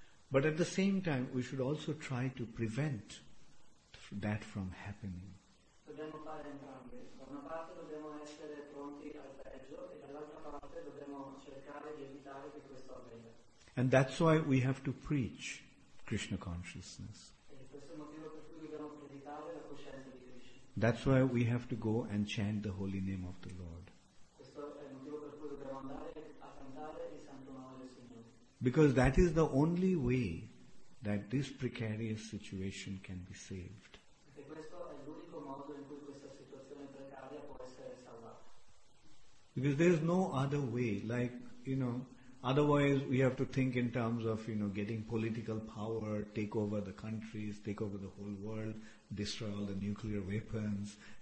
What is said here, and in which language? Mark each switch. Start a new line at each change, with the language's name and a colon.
English: But at the same time, we should also try to prevent that from happening.
Italian: Dobbiamo fare entrambi. Da una parte dobbiamo essere pronti al peggio e dall'altra parte dobbiamo cercare di evitare che questo avvenga.
English: And that's why we have to preach Krishna consciousness.
Italian: E questo è il motivo per cui dobbiamo predicare la coscienza di Krishna.
English: That's why we have to go and chant the holy name of the Lord.
Italian: Questo è il motivo per cui dobbiamo andare a cantare il santo nome del Signore.
English: Because that is the only way that this precarious situation can be saved.
Italian: E questo è l'unico modo in cui questa situazione precaria può essere salvata.
English: Because there is no other way, like, you know, otherwise we have to think in terms of, you know, getting political power, take over the countries, take over the whole world, destroy all the nuclear weapons.